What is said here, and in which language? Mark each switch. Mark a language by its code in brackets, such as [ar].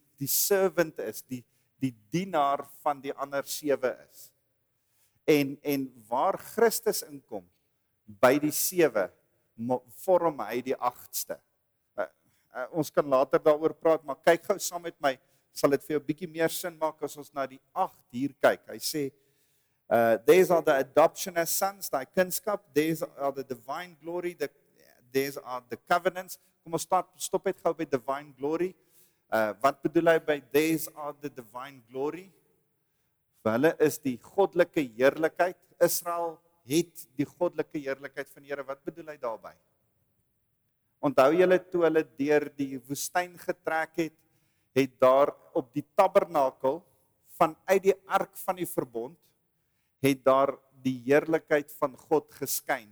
[af] Die servant is die dienaar van die ander 7 is. En waar Christus inkom by die 7 vorm hy die 8ste. Ons kan later daaroor praat, maar kyk gou saam met my, sal dit vir jou bietjie meer sin maak as ons na die 8 hier kyk. Hy sê, [en] these are the adoption as sons, thy kinskap, these are the divine glory, these are the covenants. [af] Kom ons stop het gou by [en] divine glory. [af] Wat bedoel hy by [en] these are the divine glory? [af] Vir hulle is die goddelike heerlikheid. Israel het die goddelike heerlikheid van die Here. Wat bedoel hy daarby? Onthou julle toe hulle deur die woestyn getrek het, het daar op die tabernakel vanuit die ark van die verbond, het daar die heerlikheid van God geskyn.